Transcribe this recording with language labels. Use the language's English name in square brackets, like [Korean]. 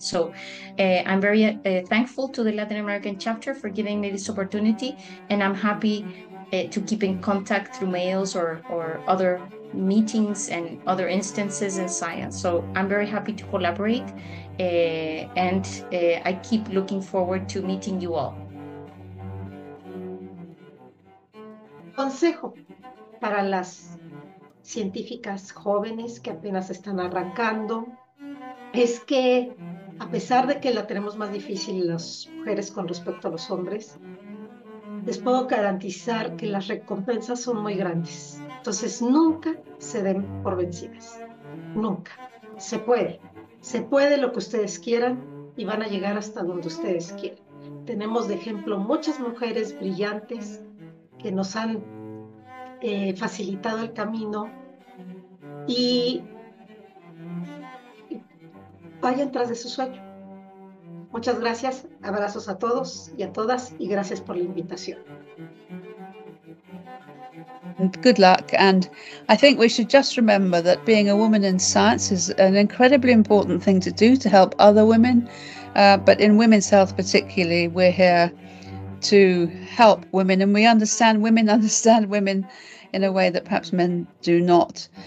[English] So I'm very thankful to the Latin American chapter for giving me this opportunity, and I'm happy to keep in contact through mails or other meetings and other instances in science. So I'm very happy to collaborate and I keep looking forward to meeting you all. [Spanish] Consejo para las científicas jóvenes que apenas están arrancando es que, a pesar de que la tenemos más difícil las mujeres con respecto a los hombres, les puedo garantizar que las recompensas son muy grandes. Entonces, nunca se den por vencidas. Nunca. Se puede. Se puede lo que ustedes quieran y van a llegar hasta donde ustedes quieran. Tenemos de ejemplo muchas mujeres brillantes que nos han facilitado el camino, y vayan tras de su sueño. Muchas gracias, abrazos a todos y a todas, y gracias por la invitación. [English] Good luck, and I think we should just remember that being a woman in science is an incredibly important thing to do to help other women, but in women's health particularly, we're here to help women, and we understand women in a way that perhaps men do not.